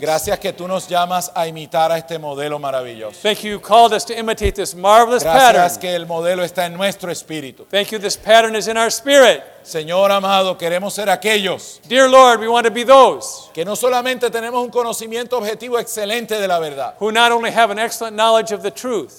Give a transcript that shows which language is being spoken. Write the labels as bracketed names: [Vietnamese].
[Spanish] Gracias que tú nos llamas a imitar a este modelo maravilloso. [English] Thank you called us to imitate this marvelous [Spanish] gracias [English] pattern. [Spanish] Gracias que el modelo está en nuestro espíritu. [English] Thank you this pattern is in our spirit. [Spanish] Señor amado, queremos ser aquellos. [English] Dear Lord, we want to be those. [Spanish] Que no solamente tenemos un conocimiento objetivo excelente de la verdad. [English] Who not only have an excellent knowledge of the truth.